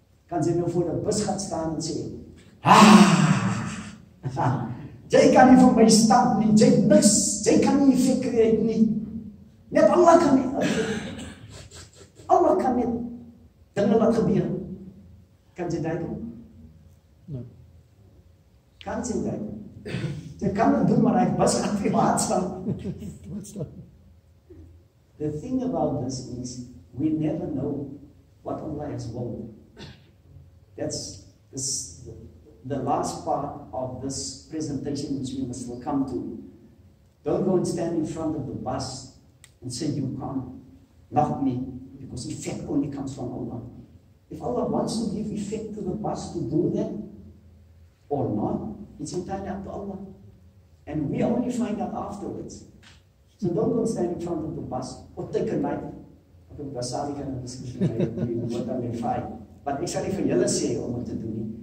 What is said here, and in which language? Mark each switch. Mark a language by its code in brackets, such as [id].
[af] Kan jy nou voor die bus gaan staan en sê, jy kan nie vir my stap nie, jy het niks, jy kan nie effect create nie. Net Allah kan nie. Allah kan net dinge wat gebeur. Kan jy dit doen? Nee. Kan jy dit? Jy kan dit doen, maar hy bus gaan vir jou aanslaan. Wat is dat? [en] The thing about this is, we never know what Allah has willed. That's this, the last part of this presentation which we must come to. Don't go and stand in front of the bus and say, you can't love me, because effect only comes from Allah. If Allah wants to give effect to the bus to do that or not, it's entirely up to Allah. And we only find out afterwards. So don't go stand in front of the bus or take a knife. I think Basari can understand what I mean by. [af] But ek sal nie vir julle sê om dit te doen nie.